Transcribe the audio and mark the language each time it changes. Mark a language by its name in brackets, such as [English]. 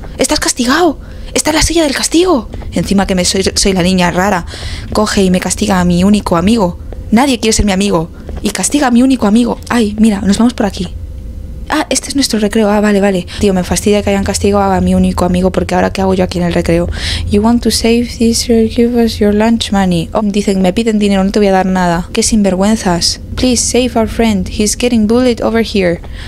[Spanish] Estás castigado, está en la silla del castigo. Encima que me soy la niña rara. Coge y me castiga a mi único amigo. Nadie quiere ser mi amigo. Y castiga a mi único amigo. Ay, mira, nos vamos por aquí. Ah, este es nuestro recreo, ah, vale, vale. Tío, me fastidia que hayan castigado a mi único amigo. Porque ahora, ¿qué hago yo aquí en el recreo? [English] You want to save this, or give us your lunch money. [Spanish] Oh, dicen, me piden dinero, no te voy a dar nada. Qué sinvergüenzas. [English] Please save our friend, he's getting bullied over here.